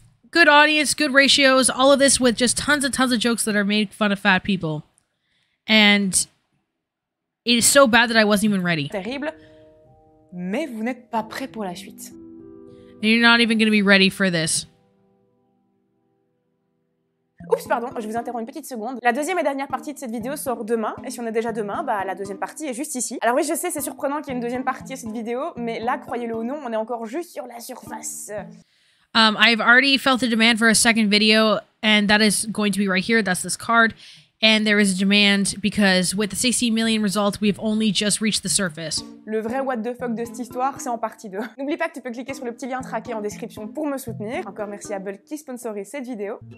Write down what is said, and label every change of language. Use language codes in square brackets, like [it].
[en] Good audience, good ratios, all of this with just tons and tons of jokes that are made fun of fat people. And it is so bad that I wasn't even ready. [fr] Terrible, mais vous n'êtes pas prêt pour la suite. [en] And you're not even going to be ready for this. [fr] Oups, pardon, je vous interromps une petite seconde. La deuxième et dernière partie de cette vidéo sort demain. Et si on est déjà demain, bah la deuxième partie est juste ici. Alors oui, je sais, c'est surprenant qu'il y ait une deuxième partie à cette vidéo, mais là, croyez-le ou non, on est encore juste sur la surface. [en] I've already felt a demand for a second video, and that is going to be right here. That's this card. And there is a demand because with the 16 million results, we've only just reached the surface. [fr] Le vrai [en] what the fuck [fr] de cette histoire, c'est en partie 2. N'oublie pas que tu peux cliquer sur le petit lien traqué en description pour me soutenir. Encore merci à Bulk qui sponsorise cette vidéo.